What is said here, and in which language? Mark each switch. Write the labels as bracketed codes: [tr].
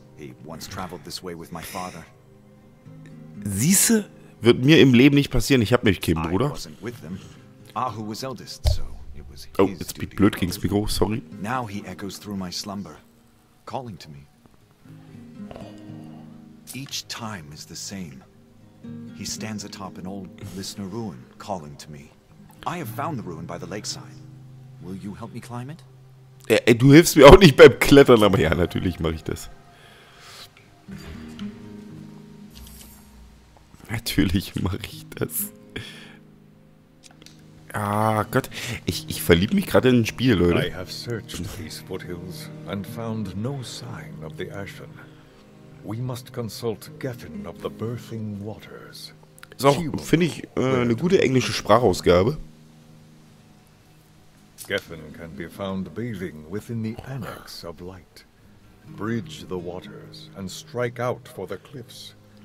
[en] He once traveled this way with my father. [de] Siehste? Wird mir im Leben nicht passieren, ich hab nämlich keinen Bruder. [en] Ahu was eldest, so it was [de] his. Oh, jetzt bin ich blöd gegen das Mikro, sorry. [en] Now he echoes through my slumber, calling to me. Each time is the same. He stands atop an old listener ruin, calling to me. I have found the ruin by the lakeside. Will you help me climb it? [de] Ey, du hilfst mir auch nicht beim Klettern, aber ja, natürlich mache ich das. Natürlich mache ich das. Ah Gott, ich verliebe mich gerade in ein Spiel, Leute. [en] I have searched these foothills and found no sign of the Ashen. We must consult Gethin of the Birthing Waters. [de] Ist auch, finde ich, eine gute englische Sprachausgabe. [en] Gethin can be found bathing within the Annex of Light. Bridge the waters and strike out for the cliffs.